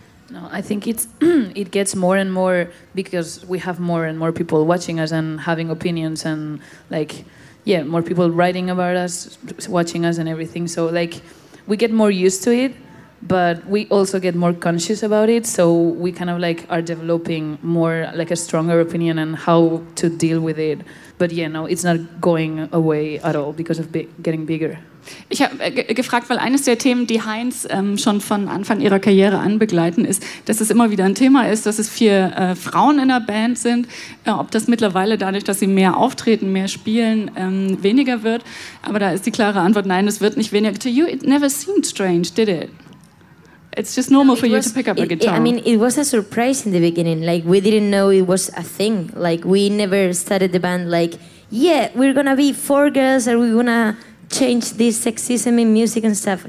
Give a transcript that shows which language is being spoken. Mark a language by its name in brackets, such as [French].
[English] No, I think it gets more and more because we have more and more people watching us and having opinions and like, yeah, more people writing about us, watching us and everything. So like, we get more used to it, but we also get more conscious about it. So we kind of like are developing more like a stronger opinion and how to deal with it. But yeah, no, it's not going away at all because of getting bigger. [German] Ich habe gefragt, weil eines der Themen, die Heinz schon von Anfang ihrer Karriere an begleiten, ist, dass es immer wieder ein Thema ist, dass es vier Frauen in der Band sind, ob das mittlerweile dadurch, dass sie mehr auftreten, mehr spielen, weniger wird. Aber da ist die klare Antwort, nein, es wird nicht weniger. [English] To you, it never seemed strange, did it? It's just normal for you to pick up a guitar. I mean, it was a surprise in the beginning. Like, we didn't know it was a thing. Like, we never started the band like, yeah, we're gonna be four girls, are we gonna change this sexism in music and stuff.